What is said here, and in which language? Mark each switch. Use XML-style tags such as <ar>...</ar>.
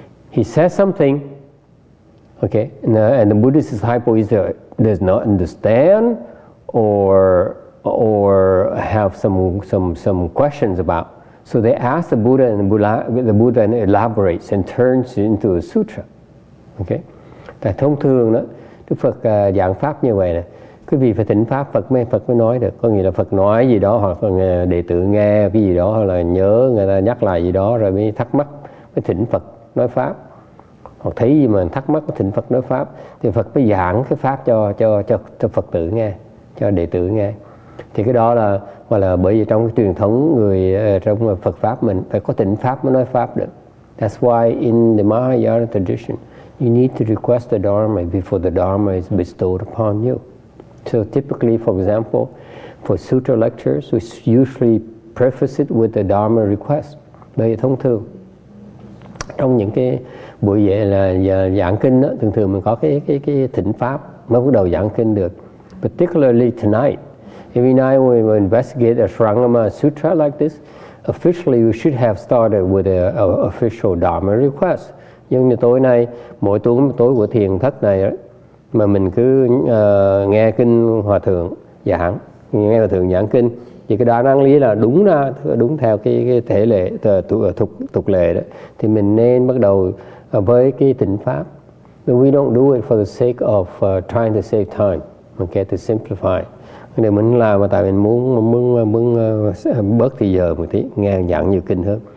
<en>He says something, okay, and the Buddhist disciple either does not understand or have some questions about. So they ask the Buddha, and the Buddha elaborates and turns it into a sutra. Okay?</en> <vi>Tại thông thường đó, Đức Phật giảng pháp như vậy nè. Quý vị phải thỉnh pháp, Phật mới nói được. Có nghĩa là Phật nói gì đó, hoặc là đệ tử nghe cái gì đó, hoặc là nhớ người ta nhắc lại gì đó, rồi mới thắc mắc, mới thỉnh Phật nói pháp. Hoặc thấy gì mà thắc mắc, thỉnh Phật nói pháp. Thì Phật mới giảng cái pháp cho Phật tử nghe, cho đệ tử nghe. Thì cái đó là bởi vì trong cái truyền thống người, trong Phật pháp mình, phải có thỉnh pháp mới nói pháp được.</vi> <en>That's why in the Mahayana tradition, you need to request the Dharma before the Dharma is bestowed upon you. So typically, for example, for sutra lectures, we usually preface it with a Dharma request.</en> <vi>Bởi vì thông thường, trong những cái buổi dạy là giảng kinh đó, thường thường mình có cái thỉnh pháp mới bắt đầu giảng kinh được.</vi> <en>Particularly tonight, every night when we investigate a Sarangama Sutra like this, officially we should have started with a official Dharma request.</en> <vi>Nhưng như tối nay, mỗi tối của thiền thất này đó, mà mình cứ nghe kinh hòa thượng giảng, nghe hòa thượng giảng kinh, thì cái đó năng lý là đúng theo cái thể lệ tục lệ đó, thì mình nên bắt đầu với cái tỉnh pháp.</vi> <en>But we don't do it for the sake of trying to save time, okay, to simplify.</en> <vi>Nên mình làm mà tại mình muốn bớt thời giờ một tí, nghe giảng nhiều kinh hơn.</vi>